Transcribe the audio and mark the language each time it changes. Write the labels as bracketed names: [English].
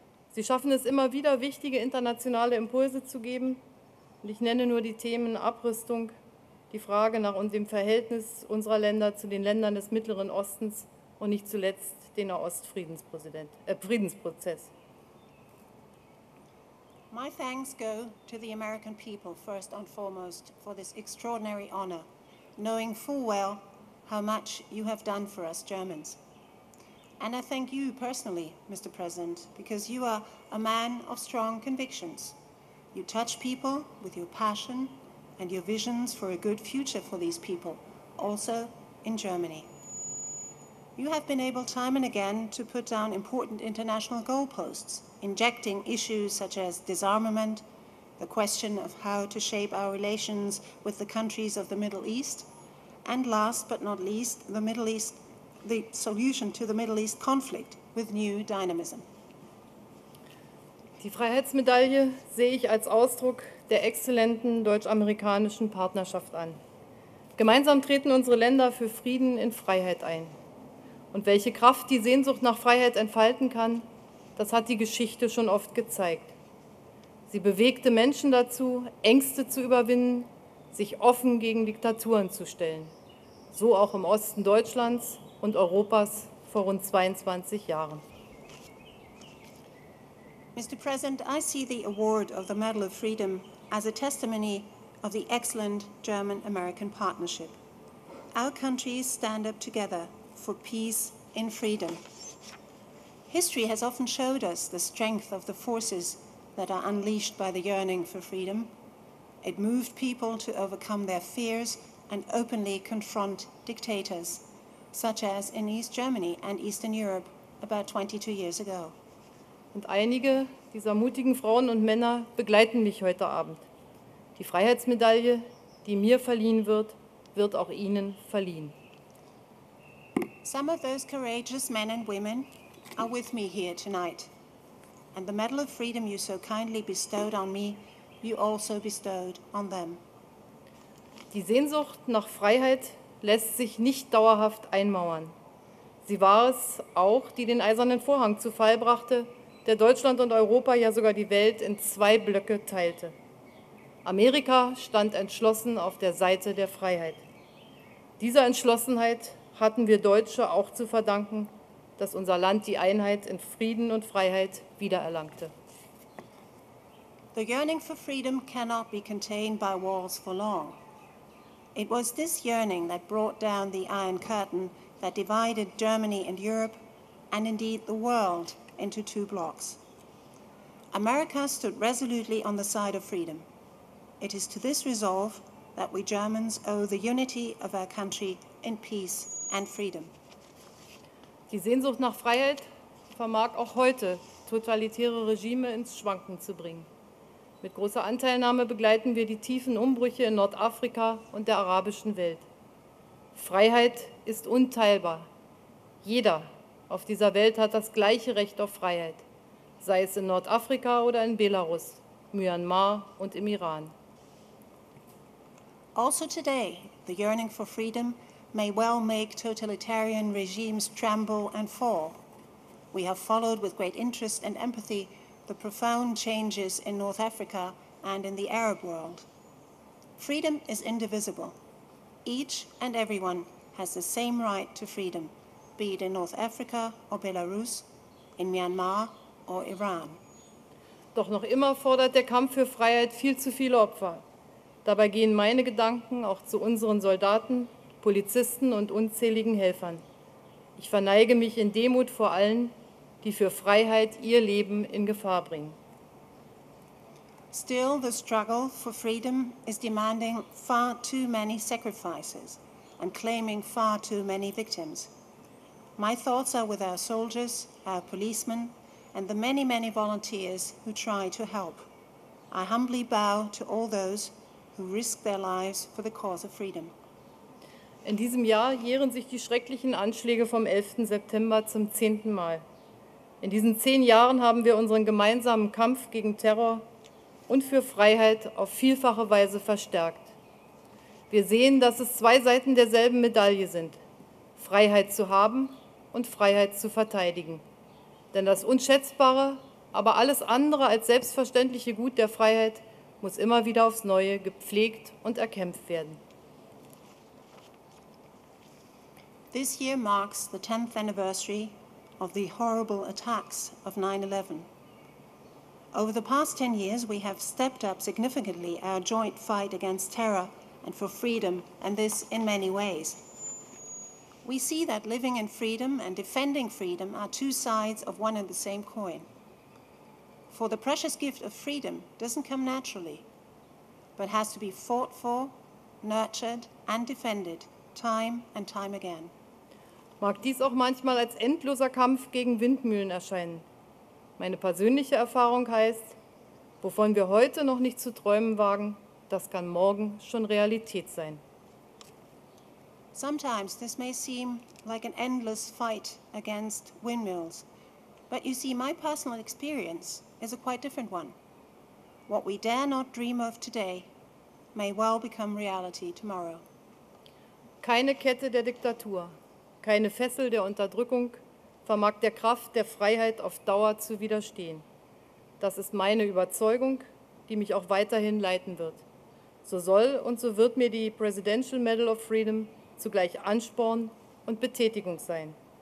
[German] Sie schaffen es immer wieder, wichtige internationale Impulse zu geben. Und ich nenne nur die Themen Abrüstung, die Frage nach dem Verhältnis unserer Länder zu den Ländern des Mittleren Ostens und nicht zuletzt den Nahost-Friedensprozess. [English] My thanks go to the American people first and foremost for this extraordinary honor, knowing full well how much you have done for us Germans. And I thank you personally, Mr. President, because you are a man of strong convictions. You touch people with your passion and your visions for a good future for these people, also in Germany. You have been able time and again to put down important international goalposts, injecting issues such as disarmament, the question of how to shape our relations with the countries of the Middle East, and last but not least, the solution to the Middle East conflict with new dynamism. [German] Die Freiheitsmedaille sehe ich als Ausdruck der exzellenten deutsch-amerikanischen Partnerschaft an. Gemeinsam treten unsere Länder für Frieden in Freiheit ein. Und welche Kraft die Sehnsucht nach Freiheit entfalten kann, das hat die Geschichte schon oft gezeigt. Sie bewegte Menschen dazu, Ängste zu überwinden, sich offen gegen Diktaturen zu stellen. So auch im Osten Deutschlands und Europas vor rund 22 Jahren. [English] Mr. President, I see the award of the Medal of Freedom as a testimony of the excellent German-American partnership. Our countries stand up together for peace and freedom. History has often showed us the strength of the forces that are unleashed by the yearning for freedom. It moved people to overcome their fears and openly confront dictators, such as in East Germany and Eastern Europe about 22 years ago. [German] Und einige dieser mutigen Frauen und Männer begleiten mich heute Abend. Die Freiheitsmedaille, die mir verliehen wird, wird auch Ihnen verliehen. [English] Some of those courageous men and women are with me here tonight. And the Medal of Freedom you so kindly bestowed on me, you also bestowed on them. [German] Die Sehnsucht nach Freiheit lässt sich nicht dauerhaft einmauern. Sie war es auch, die den eisernen Vorhang zu Fall brachte, der Deutschland und Europa, ja sogar die Welt, in zwei Blöcke teilte. Amerika stand entschlossen auf der Seite der Freiheit. Dieser Entschlossenheit hatten wir Deutsche auch zu verdanken, dass unser Land die Einheit in Frieden und Freiheit wiedererlangte. [English] The yearning for freedom cannot be contained by walls for long. It was this yearning that brought down the Iron Curtain that divided Germany and Europe, and indeed the world, into two blocks. America stood resolutely on the side of freedom. It is to this resolve that we Germans owe the unity of our country in peace and freedom. [German] Die Sehnsucht nach Freiheit vermag auch heute totalitäre Regime ins Schwanken zu bringen. Mit großer Anteilnahme begleiten wir die tiefen Umbrüche in Nordafrika und der arabischen Welt. Freiheit ist unteilbar. Jeder auf dieser Welt hat das gleiche Recht auf Freiheit, sei es in Nordafrika oder in Belarus, Myanmar und im Iran. [English] Also today, the yearning for freedom may well make totalitarian regimes tremble and fall. We have followed with great interest and empathy the profound changes in North Africa and in the Arab world. Freedom is indivisible. Each and everyone has the same right to freedom, be it in North Africa or Belarus, in Myanmar or Iran. [German] Doch noch immer fordert der Kampf für Freiheit viel zu viele Opfer. Dabei gehen meine Gedanken auch zu unseren Soldaten, Polizisten und unzähligen Helfern. Ich verneige mich in Demut vor allen, die für Freiheit ihr Leben in Gefahr bringen. [English] Still, the struggle for freedom is demanding far too many sacrifices and claiming far too many victims. My thoughts are with our soldiers, our policemen and the many, many volunteers who try to help. I humbly bow to all those who risk their lives for the cause of freedom. [German] In diesem Jahr jähren sich die schrecklichen Anschläge vom 11. September zum 10. Mal. In diesen 10 Jahren haben wir unseren gemeinsamen Kampf gegen Terror und für Freiheit auf vielfache Weise verstärkt. Wir sehen, dass es zwei Seiten derselben Medaille sind: Freiheit zu haben und Freiheit zu verteidigen. Denn das unschätzbare, aber alles andere als selbstverständliche Gut der Freiheit muss immer wieder aufs Neue gepflegt und erkämpft werden. [English] This year marks the 10th anniversary of the horrible attacks of 9/11. Over the past 10 years, we have stepped up significantly our joint fight against terror and for freedom, and this in many ways. We see that living in freedom and defending freedom are two sides of one and the same coin. For the precious gift of freedom doesn't come naturally, but has to be fought for, nurtured, and defended time and time again. [German] Mag dies auch manchmal als endloser Kampf gegen Windmühlen erscheinen. Meine persönliche Erfahrung heißt, wovon wir heute noch nicht zu träumen wagen, das kann morgen schon Realität sein. [English] Sometimes this may seem like an endless fight against windmills. But you see, my personal experience is a quite different one. What we dare not dream of today may well become reality tomorrow. [German] Keine Kette der Diktatur, keine Fessel der Unterdrückung vermag der Kraft der Freiheit auf Dauer zu widerstehen. Das ist meine Überzeugung, die mich auch weiterhin leiten wird. So soll und so wird mir die Presidential Medal of Freedom zugleich Ansporn und Betätigung sein.